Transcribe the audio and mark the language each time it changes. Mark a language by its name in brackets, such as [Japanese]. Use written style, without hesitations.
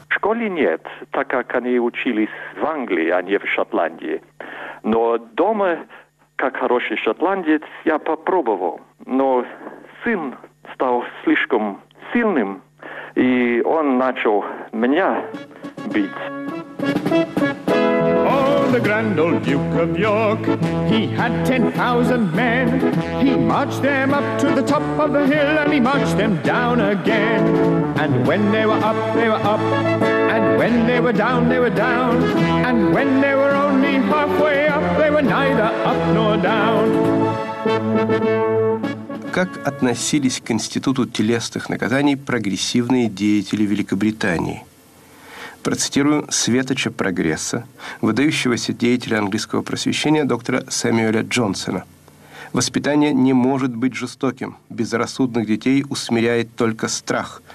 [Russian] В школе нет, так как они учились в Англии, а не в Шотландии. Но дома, как хороший шотландец, я попробовал. Но сын стал слишком сильным, и он начал меня бить. [English] The grand old Duke of York, he had 10,000 men. He marched them up to the top of the hill, and he marched them down again. And when they were up, they were up. And when they were down, they were down. And when they were only halfway up, they were neither up nor down. [Russian] Как относились к институту телесных наказаний прогрессивные деятели Великобритании? Процитирую светоча прогресса, выдающегося деятеля английского просвещения доктора Сэмюэля Джонсона. «Воспитание не может быть жестоким. Безрассудных детей усмиряет только страх.